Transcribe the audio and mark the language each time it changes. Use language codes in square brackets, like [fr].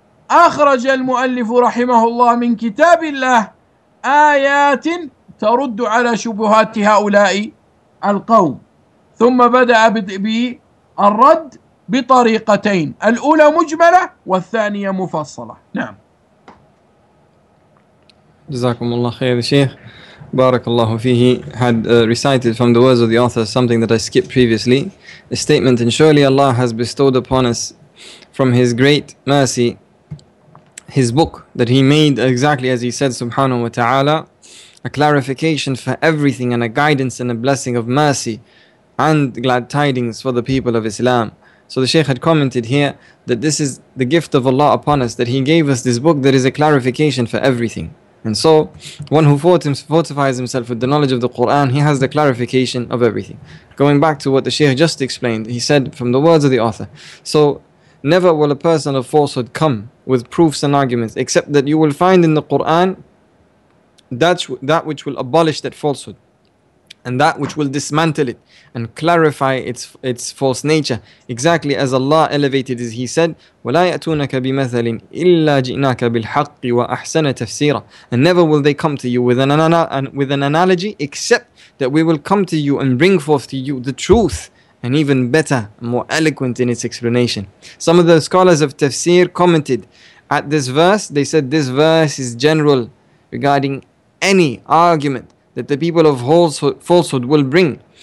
[ar] وأخرج المؤلف رحمه الله من كتاب الله آيات ترد على شبهات هؤلاء القوم، ثم بدأ بالرد بطريقتين، الأولى مجملة والثانية مفصلة. نعم. جزاكم الله خير شيخ بارك الله فيه. [en] Had recited from the words of the author something that I skipped previously, a statement, and surely Allah has bestowed upon us from His great mercy His book that He made exactly as He said subhanahu wa ta'ala, a clarification for everything and a guidance and a blessing of mercy and glad tidings for the people of Islam. So the Shaykh had commented here that this is the gift of Allah upon us, that He gave us this book that is a clarification for everything. And so, one who fortifies himself with the knowledge of the Qur'an, he has the clarification of everything. Going back to what the Shaykh just explained, he said from the words of the author, so, never will a person of falsehood come with proofs and arguments, except that you will find in the Qur'an that which will abolish that falsehood. and that which will dismantle it and clarify its false nature. Exactly as Allah elevated as He said, [ar] وَلَا يَأْتُونَكَ بِمَثَلٍ إِلَّا جِئْنَاكَ بِالْحَقِّ وَأَحْسَنَ تَفْسِيرًا. [en] And never will they come to you with an analogy, except that we will come to you and bring forth to you the truth, and even better, more eloquent in its explanation. Some of the scholars of tafsir commented at this verse. They said this verse is general regarding any argument that the people of falsehood will bring.